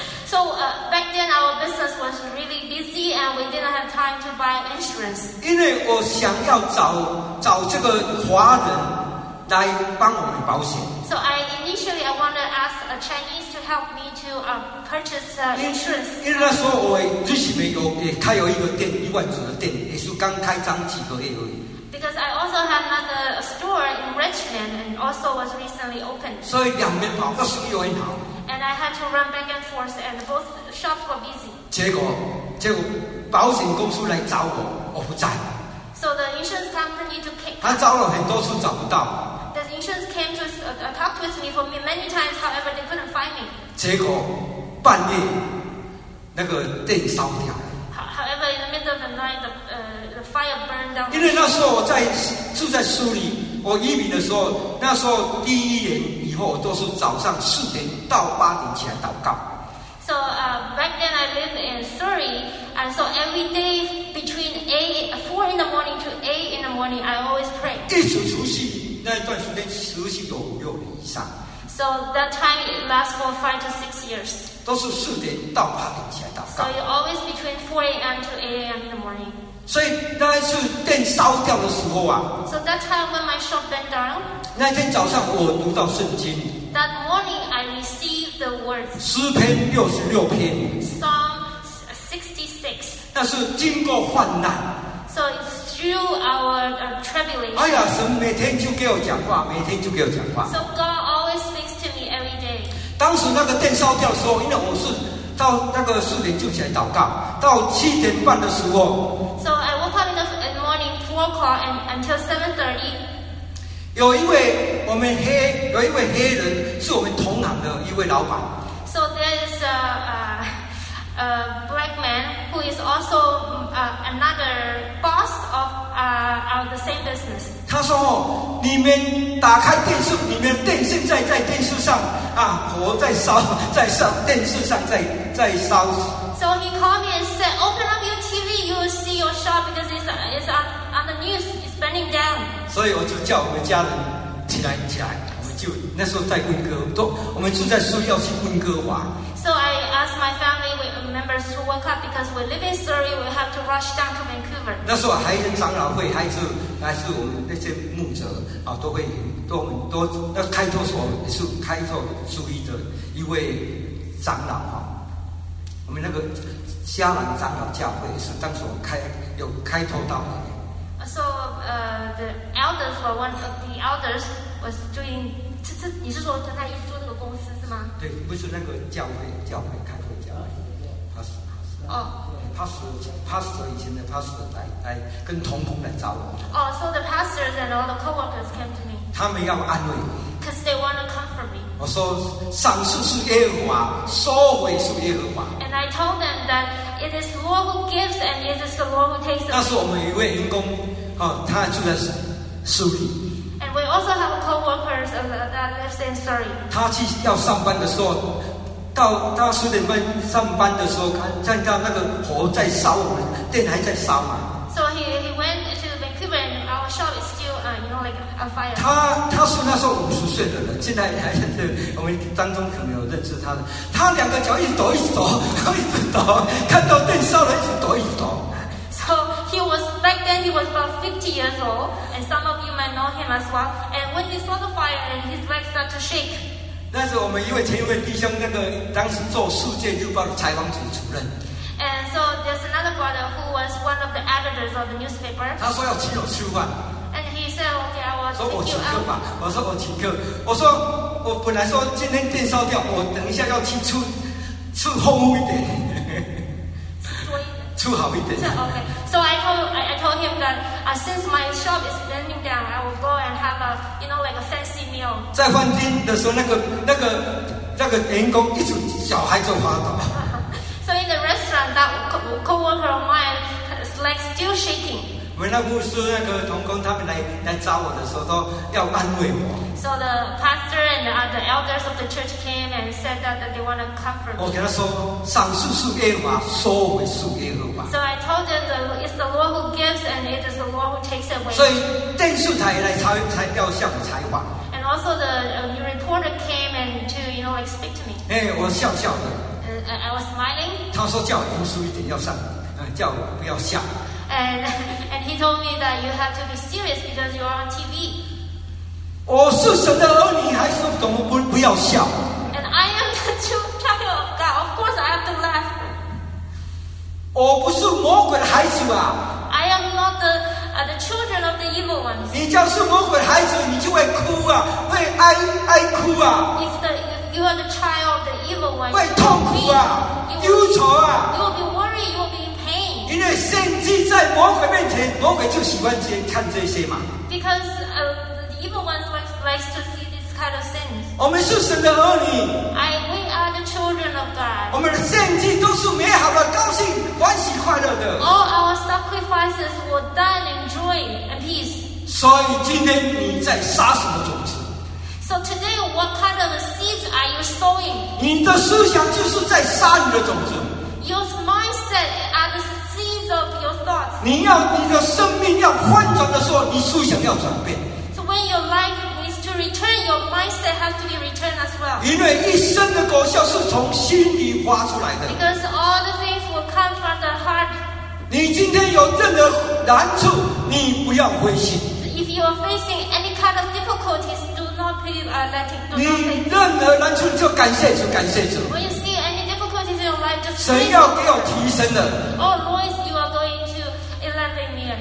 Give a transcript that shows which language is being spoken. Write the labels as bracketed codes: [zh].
[en] So back then our business was really busy, and we didn't have time to buy insurance. [zh] 因为我想要找这个华人来帮我买保险。 [en] So initially I wanted to ask a Chinese to help me to purchase insurance. [zh] 因为那时候我自己没有，也开有一个店，一万尺的店，也是刚开张几个月而已。 [en] Because I also have another store in Richmond, and also was recently opened. [zh] 所以两边跑，那生意很好。 [en] And I had to run back and forth, and both shops were busy. [zh] 结果保险公司来找我，我不在。 [en] So the insurance company to kick. [zh] 他找了很多次找不到。 [en] The insurance came to talk with me for many times, however, they couldn't find me. [zh] 结果半夜那个店烧掉了。 [en] However, in the middle of the night, the fire burned down. [zh] 因为那时候我在住在苏里，我移民的时候，那时候第一年以后都是早上4点到8点起来祷告。 [en] So back then I lived in Surrey, and so every day between 4 in the morning to 8 in the morning, I always pray. [zh] 一直持续。那段时间持续有5、6年以上。 [en] So that time it lasts for 5 to 6 years. [zh] 都是4点到8点起来祷告。 [en] So you always between 4 a.m. to 8 a.m. in the morning. [zh] 所以那一次店烧掉的时候啊。 [en] So that time when my shop burned down. [zh] 那天早上我读到圣经。 [en] That morning I received the words. [zh] 诗篇66篇。 [en] Psalm 66. [zh] 那是经过患难。 [en] So it's through our tribulation. [zh] 哎呀，神每天就给我讲话，每天就给我讲话。 [en] So God always speaks to me every day. [zh] 当时那个店烧掉的时候，因为我是到那个4点就起来祷告，到7点半的时候。 [en] So I woke up in the morning 4 o'clock and until 7:30. [zh] 有一位黑人是我们同行的一位老板。 [en] So there is a black man who is also another boss of the same business. [zh] 他说：“你们打开电视，你们店现在在电视上啊，火在烧，在上电视上在烧。” [en] So he called me and said, "Open up your TV, you will see your shop because it's on the news. It's burning down." [zh] 所以我就叫我们家人起来。就那时候在温哥华，我们住在苏里要去温哥华。 [en] So I asked my family members to wake up because we live in Surrey, we have to rush down to Vancouver. [zh] 那时候还有长老会，还是我们那些牧者啊，都那开拓所是开拓苏里的一位长老哈。我们那个迦南长老教会是当时有开拓到的。 [en] So the elders was doing [zh] 这你是说跟他一起做这个公司是吗？对，不是那个教会开会教会，pastor 以前的 pastor 来跟同来找我。 [en] So the pastors and all the coworkers came to me. [zh] 他们要安慰。 [en] Because they want to comfort me. [zh] 我说上帝是耶和华，收回是耶和华。 [en] And I told them that it is the Lord who gives and it is the Lord who takes. [zh] 那是我们一位员工啊，他住在苏里。 [en] And we also have coworkers that lives in Surrey. [zh] 他去要上班的时候，到十点半上班的时候，看到那个火在烧，店还在烧嘛。 [en] So he went to Vancouver and our shop is still on fire. [zh] 他是那时候50岁的人，现在还是我们当中可能有认识他的。他两个脚一直抖，一直抖，一直抖，看到店烧了，一直抖，一直抖。 [en] So he was back then when he was about 50 years old, and some of you might know him as well. And when he saw the fire, and his legs start to shake. [zh] 那是我们一位前一位弟兄，那个当时做世界日报的采访组主任。 [en] And so there's another brother who was one of the editors of the newspaper. [zh] 他说要请我吃饭。 [en] And he said, "Okay, I will." [zh] 说我请客吧。我说我请客。我说我本来说今天电烧掉，我等一下要去出厚厚一点。出好一点。 [en] So, okay. So I told him that、since my shop is burning down, I will go and have a, you know, like a fancy meal. [zh] 在饭厅的时候，那个员工一直小孩就发抖。 [en] So in the restaurant, that coworker of mine is like still shaking. [zh] 我那牧师那个同工他们来找我的时候，都要安慰我。 [en] So the pastor and the elders of the church came and said that they want to comfort me. [zh] 我跟他说，赏赐是耶和华，收回是耶和华。 [en] So I told them that it's the Lord who gives and it is the Lord who takes away. [zh] 所以电视台来才要向我采访。 [en] And also the reporter came and to, you know, like speak to me. [zh] 哎，我笑笑的。 [en] I was smiling. [zh] 他说叫我严肃一点，要上，叫我不要笑。 [en] And he told me that you have to be serious because you are on TV. [zh] 我是神的儿女，还是怎么不要笑 [en] ？And I am the child of God. Of course, I have to laugh. [zh] 我不是魔鬼的孩子吧 [en] ？I am not the children of the evil ones. [zh] 你就是魔鬼的孩子，你就会哭啊，会爱哭啊。 [en] If you are the child of the evil ones, [zh] 会痛苦啊，忧愁啊。 [en] You will be worried. You will be in pain. [zh] 因为献祭在魔鬼面前，魔鬼就喜欢看这些嘛。 [en] Because Even ones likes to see this kind of sins. [zh] 我们是神的儿女。 [en] We are the children of God. [zh] 我们的献祭都是美好的、高兴、欢喜、快乐的。 [en] All our sacrifices were done in joy and peace. [zh] 所以今天你在撒什么种子 [en] ？So today, what kind of seeds are you sowing? [zh] 你的思想就是在撒你的种子。 [en] Your mindset are the seeds of your thoughts. [zh] 你要你的生命要翻转的时候，你思想要转变。 [en] When your life needs to return, your mindset has to be returned as well. [zh] 因为一生的果效是从心里发出来的。 [en] Because all the things will come from the heart. [zh] 你今天有任何难处，你不要灰心。 [en] If you are facing any kind of difficulties, do not be letting. [zh] 你任何难处就感谢主，感谢主。 [en] When you see any difficulties in your life, just. [zh] 神要给我提升的。 [en] Oh, Lord, you are going to elevate me.